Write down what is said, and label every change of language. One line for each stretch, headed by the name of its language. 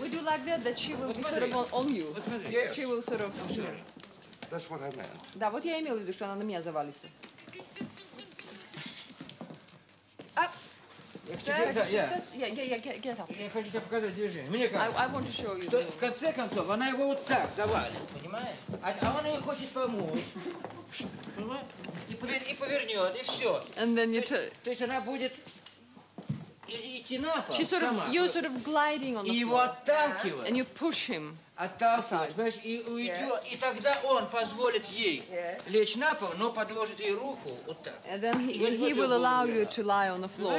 English: We do like that, that she will sort of on you. Yes. She will sort of. That's what I meant.
Russian: Да, вот я имел в виду, что она на меня завалится. Я хочу тебе показать движение. Мне кажется,
English: I want to show you.
Russian: Что, в конце концов, она его вот так завалит, понимаешь? А он ее хочет помочь. Понимаешь? И повернет, и все.
English: And then you
Russian: то есть она будет идти на пол.
English: She's sort of, you're sort of gliding on the floor.
Russian: И его отталкивает.
English: Yeah. And you push him.
Russian: Отталкивает, понимаешь, и уйдет.
English: Yes.
Russian: И тогда он позволит ей
English: yes.
Russian: лечь на пол, но подложит ей руку вот так.
English: And then he will allow you to lie on the floor.